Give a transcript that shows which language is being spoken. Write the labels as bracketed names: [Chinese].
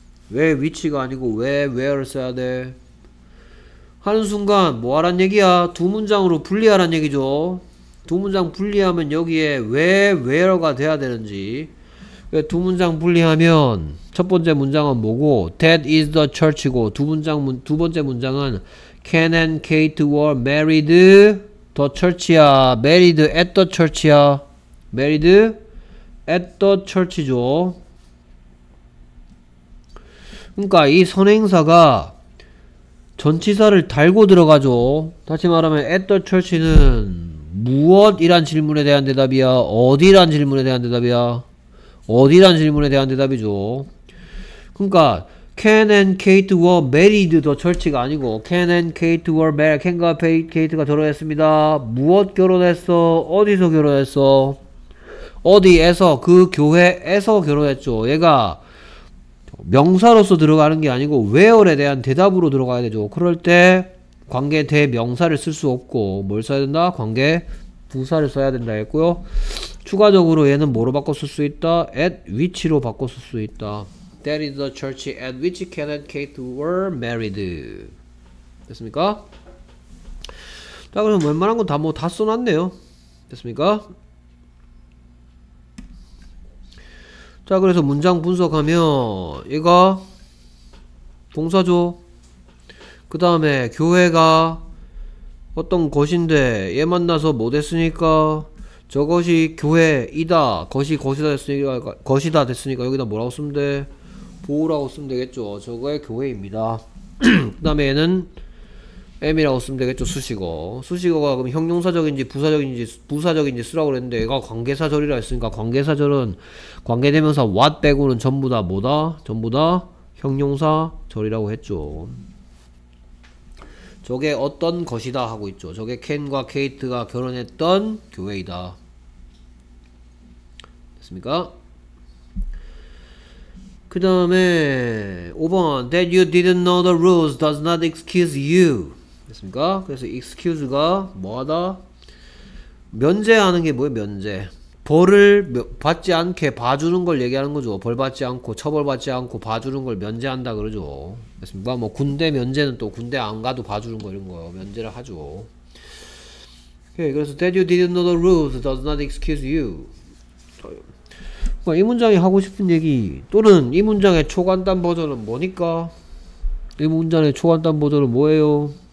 [Korean] 왜 위치가 아니고 왜 where를 써야 돼? 하는 순간 뭐 하란 얘기야? 두 문장으로 분리하란 얘기죠. 두 문장 분리하면 여기에 왜 where가 돼야 되는지. 두 문장 분리하면 첫 번째 문장은 뭐고? [English] That is the church고 [Korean] 두 번째 문장은 [English] Ken and Kate were married the church야. Married at the church야. Married at the church죠. [Korean] 그러니까 이 선행사가 전치사를 달고 들어가죠. 다시 말하면 at the church는 무엇이란 질문에 대한 대답이야? 어디란 질문에 대한 대답이야? 어디란 질문에 대한 대답이죠. 그러니까 [English] Ken and Kate were married the church가 [Korean] 아니고 [English] Ken and Kate were married. [Korean] Ken과 Kate가 결혼했습니다. 무엇 결혼했어? 어디서 결혼했어? 어디에서? 그 교회에서 결혼했죠. 얘가 명사로서 들어가는 게 아니고 where에 대한 대답으로 들어가야 되죠. 그럴 때 관계 대명사를 쓸수 없고 뭘 써야 된다? 관계 부사를 써야 된다 했고요. 추가적으로 얘는 뭐로 바꿔 쓸수 있다? [English] at which [Korean] 로 바꿔 쓸수 있다. [English] That is the church at which Ken and Kate were married. [Korean] 됐습니까? 자, 그럼 웬만한 건다뭐다 써놨네요. 됐습니까? 자, 그래서 문장 분석하면 얘가 동사죠. 그 다음에 교회가 어떤 것인데 얘 만나서 뭐 됐으니까 저것이 교회이다. 것이다 됐으니까 여기다 뭐라고 쓰면 돼? 보호라고 쓰면 되겠죠. 저거의 교회입니다. 그 다음에 얘는 M이라고 쓰면 되겠죠. 수식어. 수식어가 그럼 형용사적인지 부사적인지 쓰라고 그랬는데 얘가 관계사절이라 했으니까 관계사절은 관계대명사 what 빼고는 전부 다 뭐다? 전부 다 형용사절이라고 했죠. 저게 어떤 것이다 하고 있죠. 저게 켄과 케이트가 결혼했던 교회이다. 됐습니까? 그 다음에 5번 [English] That you didn't know the rules does not excuse you. [Korean] 됐습니까? 그래서 excuse가 뭐하다? 면제하는 게 뭐예요? 면제. 받지 않게 봐주는 걸 얘기하는 거죠. 벌 받지 않고 처벌 받지 않고 봐주는 걸 면제한다 그러죠. 됐습니까? 뭐 군대 면제는 또 군대 안 가도 봐주는 거 이런 거 면제를 하죠. 오케이, 그래서 [English] That you didn't know the rules does not excuse you. [Korean] 이 문장이 하고 싶은 얘기 또는 이 문장의 초간단 버전은 뭐니까? 이 문장의 초간단 버전은 뭐예요?